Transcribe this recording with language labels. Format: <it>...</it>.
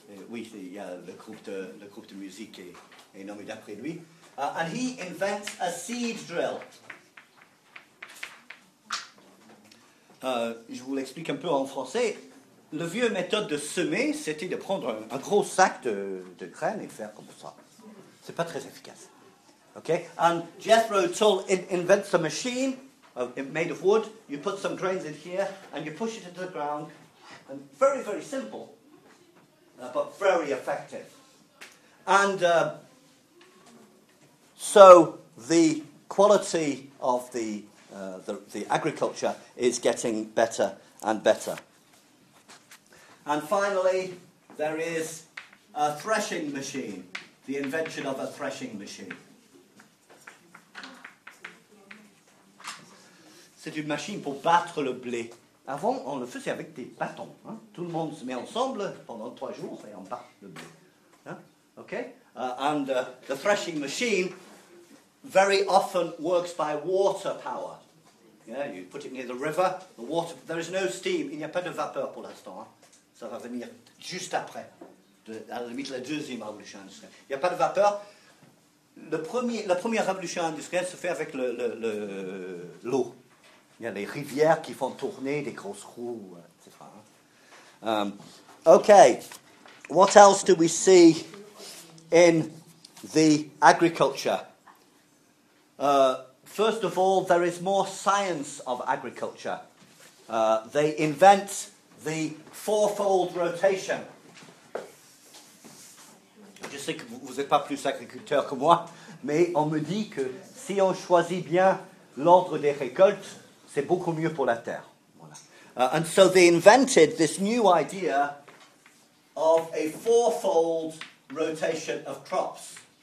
<fr>Oui, le groupe de musique est nommé d'après lui.</fr> <en>And he invents a seed drill.</en> <fr>Je vous l'explique un peu en français. Le vieux méthode de semer, c'était de prendre un gros sac de graines et de faire comme ça. C'est pas très efficace. Okay?</fr> <en>And Jethro Tull invents a machine made of wood. You put some grains in here and you push it into the ground. And very, very simple. But very effective. And so the quality of the agriculture is getting better and better. And finally, there is a threshing machine, the invention of a threshing machine.</en> <fr>C'est une machine pour battre le blé. Avant, on le faisait avec des bâtons. Hein? Tout le monde se met ensemble pendant 3 jours et on bat le blé. Hein?</fr> <en>okay? And the threshing machine very often works by water power. Yeah, you put it near the river, the water, there is no steam,</en> <fr>il n'y a pas de vapeur pour l'instant. Ça va venir juste après, à la limite de la deuxième révolution industrielle. Il n'y a pas de vapeur. La première révolution industrielle se fait avec l'eau. Il y a les rivières qui font tourner des grosses roues, etc.</fr> <en>Okay, what else do we see in the agriculture? First of all, there is more science of agriculture. They invent the fourfold rotation.</en> <fr>Je sais que vous n'êtes pas plus agriculteur que moi, mais on me dit que si on choisit bien l'ordre des récoltes, c'est beaucoup mieux pour la terre. Voilà.</fr> <en>And so they invented this new idea of a fourfold rotation of crops.</en>